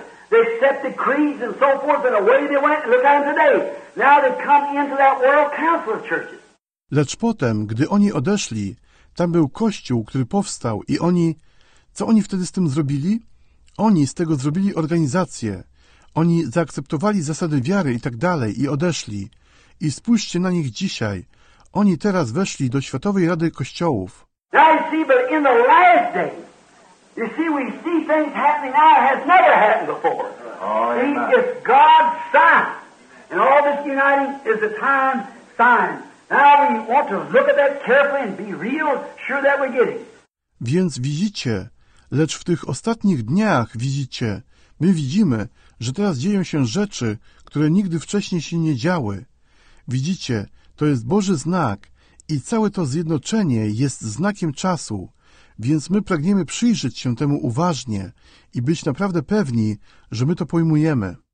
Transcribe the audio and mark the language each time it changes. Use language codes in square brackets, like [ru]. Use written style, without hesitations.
[en] They set decrees and so forth, and away they went. Look at them today. Now they've come into that world council of churches. [pl] Lecz potem, gdy oni odeszli, tam był kościół, który powstał, i oni, co oni wtedy z tym zrobili? Oni z tego zrobili organizację. Oni zaakceptowali zasady wiary i tak dalej i odeszli. I spójrzcie na nich dzisiaj. Oni teraz weszli do Światowej Rady Kościołów. [en] Now you see, but in the last day, you see, we see things happening now that has never happened before. Oh, see, it's God's sign. And all this uniting is a time sign. Now we want to look at that carefully and be real sure that we're getting. [pl] Więc widzicie, lecz w tych ostatnich dniach widzicie, my widzimy, że teraz dzieją się rzeczy, które nigdy wcześniej się nie działy. Widzicie, to jest Boży znak i całe to zjednoczenie jest znakiem czasu, więc my pragniemy przyjrzeć się temu uważnie i być naprawdę pewni, że my to pojmujemy.